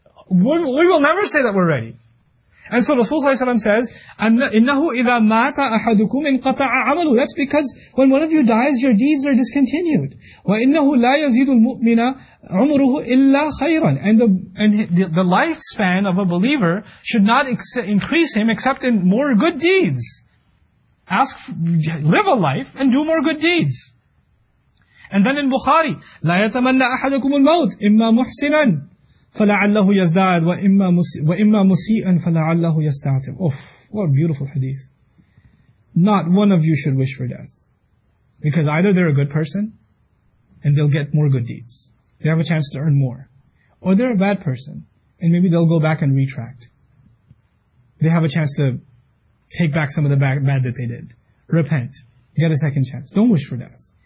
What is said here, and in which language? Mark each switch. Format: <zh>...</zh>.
<en>We will never say that we're ready. And so Rasulullah says,</en> <ar>إِنَّهُ إِذَا مَاتَ أَحَدُكُمْ إِنْقَطَعَ عَمَلُهُ</ar> <en>That's because when one of you dies, your deeds are discontinued.</en> <ar>وَإِنَّهُ لَا يَزِيدُ الْمُؤْمِنَ عُمُرُهُ إِلَّا خَيْرًا</ar> <en>And the lifespan of a believer should not increase him except in more good deeds. Live a life and do more good deeds. And then in Bukhari,</en> <ar>لَا يَتَمَنَّ أَحَدُكُمُ الْمَوْتِ إِمَّا مُحْسِنًا فَلَعَلَّهُ يَزْدَعَدْ وَإِمَّا مُسِيئًا فَلَعَلَّهُ يَسْتَعْتِمْ</ar> <en>Oof, what a beautiful hadith. Not one of you should wish for death. Because either they're a good person, and they'll get more good deeds. They have a chance to earn more. Or they're a bad person, and maybe they'll go back and retract. They have a chance to take back some of the bad that they did. Repent. Get a second chance. Don't wish for death.</en>